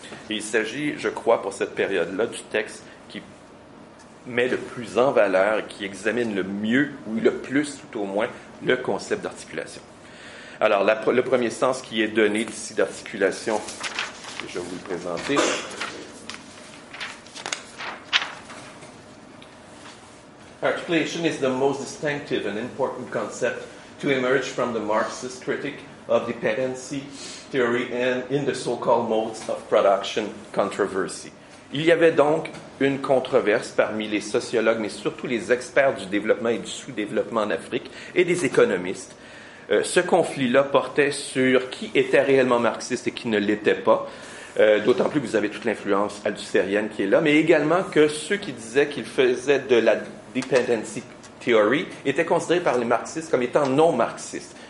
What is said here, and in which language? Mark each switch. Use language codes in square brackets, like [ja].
[fr] Et il s'agit, je crois, pour cette période-là, du texte qui met le plus en valeur, qui examine le mieux, ou le plus tout au moins, le concept d'articulation. Alors, le premier sens qui est donné d'ici d'articulation, je vais vous le présenter. [en] Articulation is the most distinctive and important concept to emerge from the Marxist critique of dependency theory and in the so-called modes of production controversy. [fr] Il y avait donc une controverse parmi les sociologues, mais surtout les experts du développement et du sous-développement en Afrique et des économistes. Ce conflit-là portait sur qui était réellement marxiste et qui ne l'était pas, d'autant plus que vous avez toute l'influence althusserienne qui est là, mais également que ceux qui disaient qu'ils faisaient de la dependency theory étaient considérés par les marxistes comme étant non-marxistes.